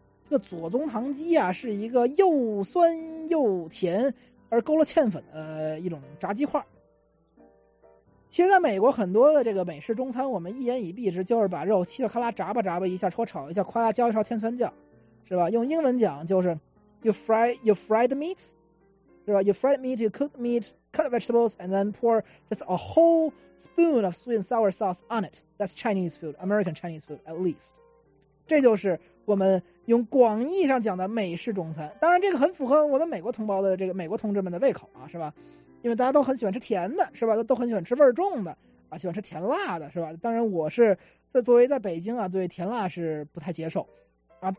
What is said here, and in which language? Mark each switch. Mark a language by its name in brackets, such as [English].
[Chinese] 这个左宗棠鸡啊，是一个又酸又甜而勾了芡粉的一种炸鸡块。其实在美国很多的这个美式中餐，我们一言以蔽之，就是把肉嘁哩喀啦炸吧炸吧一下，戳炒一下，夸啦浇一勺甜酸酱，是吧？用英文讲就是 [English] you fry the meat， [Chinese] 是吧？ [English] You fry meat, you cook meat, cut vegetables, and then pour just a whole spoon of sweet and sour sauce on it. That's Chinese food, American Chinese food at least. [Chinese] 这就是我们用广义上讲的美式中餐。当然这个很符合我们美国同胞的这个美国同志们的胃口啊，是吧？因为大家都很喜欢吃甜的，是吧？都很喜欢吃味儿重的啊，喜欢吃甜辣的，是吧？当然我是在作为在北京啊，对甜辣是不太接受啊。